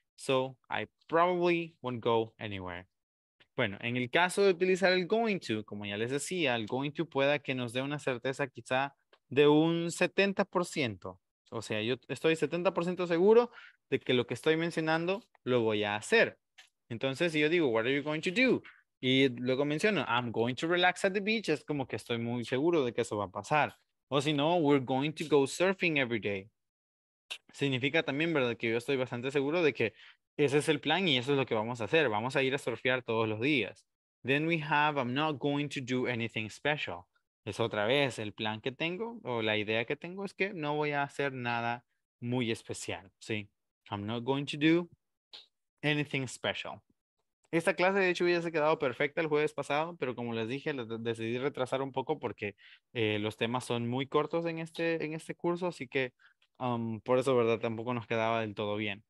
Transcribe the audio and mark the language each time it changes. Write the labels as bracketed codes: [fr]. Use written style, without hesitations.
[en] So, I probably won't go anywhere. [es] Bueno, en el caso de utilizar el going to, como ya les decía, el going to pueda que nos dé una certeza quizá de un 70%. O sea, yo estoy 70% seguro de que lo que estoy mencionando lo voy a hacer. Entonces, si yo digo, [en] what are you going to do? [es] Y luego menciono, [en] I'm going to relax at the beach. [es] Es como que estoy muy seguro de que eso va a pasar. O si no, [en] we're going to go surfing every day. [es] Significa también, ¿verdad?, que yo estoy bastante seguro de que ese es el plan y eso es lo que vamos a hacer. Vamos a ir a surfear todos los días. [en] Then we have, I'm not going to do anything special. [es] Es otra vez, el plan que tengo o la idea que tengo es que no voy a hacer nada muy especial, ¿sí? [en] I'm not going to do anything special. [es] Esta clase, de hecho, hubiese quedado perfecta el jueves pasado, pero como les dije, decidí retrasar un poco porque los temas son muy cortos en este curso, así que por eso, ¿verdad?, tampoco nos quedaba del todo bien.